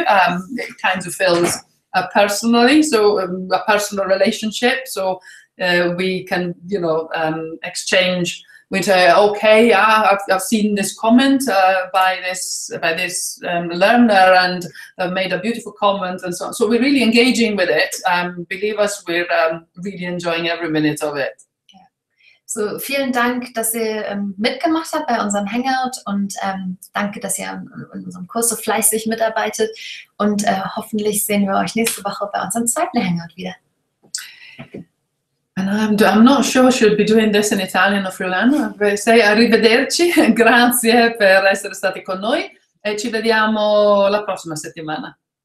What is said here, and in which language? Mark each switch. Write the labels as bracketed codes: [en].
[en] It kind of feels a personal relationship, so we can, you know, exchange. We say, okay, I've seen this comment by this learner, and they've made a beautiful comment and so on. So we're really engaging with it. Believe us, we're really enjoying every minute of it. [de] So vielen Dank, dass ihr mitgemacht habt bei unserem Hangout, und danke, dass ihr in unserem Kurs so fleißig mitarbeitet, und hoffentlich sehen wir euch nächste Woche bei unserem zweiten Hangout wieder. [en] And I'm not sure she'll be doing this in Italian or Friulano. [it] Say arrivederci, grazie per essere stati con noi, e ci vediamo la prossima settimana.